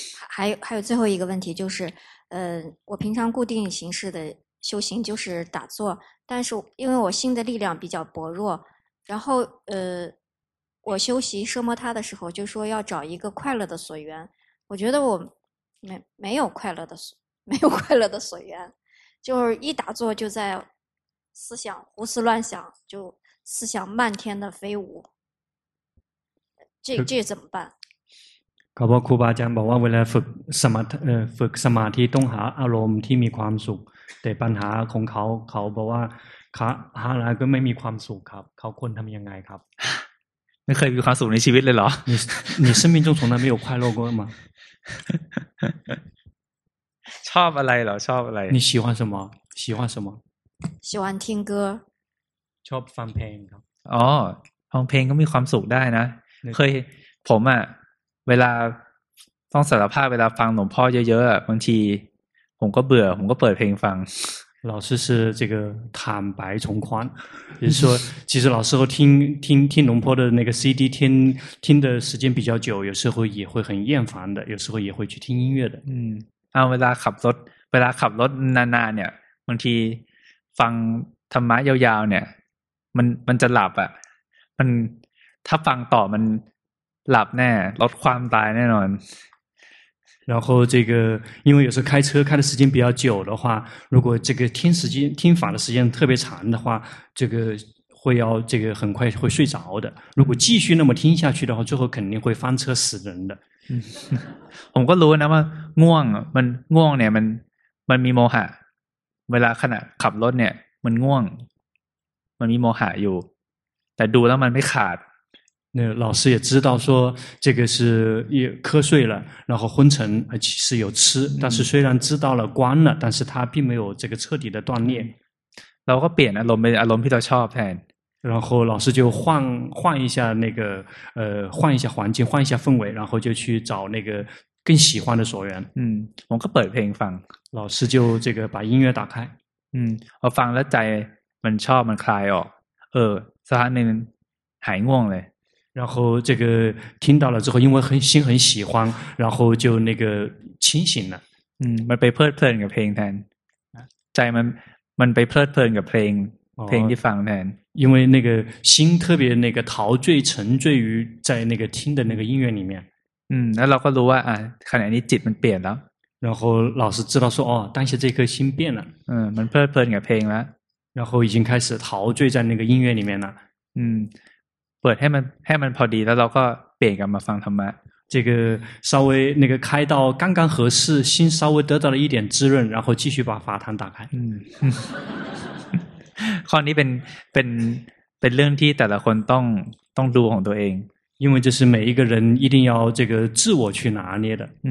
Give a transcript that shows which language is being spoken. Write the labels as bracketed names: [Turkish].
[Chinese] 还有最后一个问题就是我平常固定形式的修行就是打坐但是因为我心的力量比较薄弱然后我修习奢摩他的时候就说要找一个快乐的所缘我觉得我没有快乐的所缘没有快乐的所缘就是一打坐就在思想胡思乱想就思想漫天的飞舞这怎么办 [Thai] ครับครูบาอาจารย์บอกว่าเวลาฝึกสมาธิต้องหาอารมณ์ที่มีความสุขแต่ปัญหาของเขาบอกว่าหาอะไรก็ไม่มีความสุขครับเขาควรทำยังไงครับ ไม่เคยมีความสุขในชีวิตเลยเหรอ [Chinese] 你生命中从来没有快乐过吗 [Thai] ชอบอะไรเหรอชอบอะไร [Chinese] 你喜欢什么喜欢什么喜欢听歌 [Thai] ชอบฟังเพลงครับ อ๋อฟังเพลงก็มีความสุขได้นะเคยผมอ่ะเวลาต้องสารภาพเวลาฟังหลวงพ่อเยอะๆอ่ะบางทีผมก็เบื่อผมก็เปิดเพลงฟัง [Chinese] 老师是这个坦白从宽，就是说，其实老师和听龙坡的那个 CD 听的时间比较久，有时候也会很厌烦的，有时候也会去听音乐的。 [Thai] เวลาขับรถนานๆเนี่ยบางทีฟังธรรมะยาวๆเนี่ยมันจะหลับอ่ะมันถ้าฟังต่อมันหลับแน่ลดความตายแน่นอน [Chinese] 然后这个因为有时候开车开的时间比较久的话如果这个听法的时间特别长的话这个会要这个很快会睡着的如果继续那么听下去的话最后肯定会翻车死人的 [Thai] ผมก็รู้นะว่าง่วงมันง่วงเนี่ยมันมีโมหะเวลาขณะขับรถเนี่ยมันง่วงมันมีโมหะอยู่แต่ดูแล้วมันไม่ขาด [Chinese] 那老师也知道说这个是也瞌睡了然后昏沉是有痴但是虽然知道了关了但是他并没有这个彻底的断裂 [Thai] เราก็เปลี่ยนอารมณ์เป็นอารมณ์ที่เราชอบแทน [Chinese] 然后老师就换一下那个换一下环境换一下氛围然后就去找那个更喜欢的所缘我 [Thai] ก็เปิดเพลงฟัง [Chinese] 老师就这个把音乐打开我 [Thai] ฟังแล้วใจมันชอบมันคลายออกสักพักนึงหายง่วงเลย [Chinese] 然后这个听到了之后，因为很心很喜欢，然后就那个清醒了。 [Thai] 嗯，มันไปเพลิดเพลินกับเพลงแทนใจมันไปเพลิดเพลินกับเพลงเพลงที่ฟังแทน [Chinese] 因为那个心特别那个陶醉沉醉于在那个听的那个音乐里面。 [Thai] 嗯， [Chinese] 那 [Thai] เราก็รู้ว่าขณะนี้จิตมันเปลี่ยนแล้ว [Chinese] 然后老师知道说哦，当下这颗心变了。 [Thai] 嗯，มันเพลิดเพลินกับเพลงแล้ว [Chinese] 然后已经开始陶醉在那个音乐里面了。嗯。 [Thai] เปิดให้มันพอดีแล้วเราก็เปลี่ยนกันมาฟังธรรมะ [Chinese] 这个稍微那个开到刚刚合适心稍微得到了一点滋润然后继续把法坛打开 [Thai] ข้อนี้เป็นเรื่องที่แต่ละคนต้องดูของตัวเอง [Chinese] 因为这是每一个人一定要这个自我去拿捏的